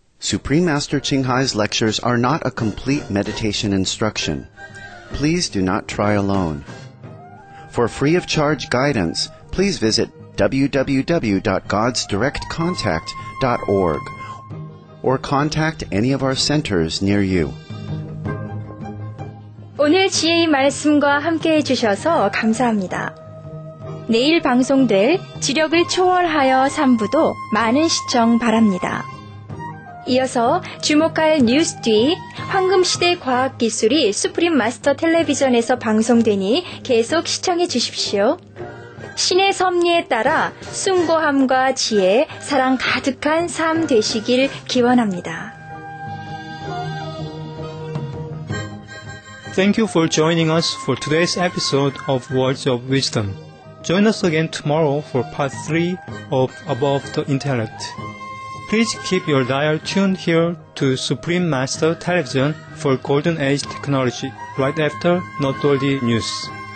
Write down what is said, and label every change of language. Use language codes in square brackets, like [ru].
[en] Supreme Master Qinghai's lectures are not a complete meditation instruction. Please do not try alone. For free of charge guidance, please visit www.godsdirectcontact.org or contact any of our centers near you. [ko] 오늘 지혜의 말씀과 함께해 주셔서 감사합니다. 내일 방송될 지력을 초월하여 3부도 많은 시청 바랍니다. 이어서 주목할 뉴스 뒤 황금시대 과학기술이 수프림 마스터 텔레비전에서 방송되니 계속 시청해 주십시오. 신의 섭리에 따라 순고함과 지혜, 사랑 가득한 삶 되시길 기원합니다. [en] Thank you for joining us for today's episode of Words of Wisdom. Join us again tomorrow for part 3 of Above the Intellect. Please keep your dial tuned here to Supreme Master Television for Golden Age Technology right after noteworthy news.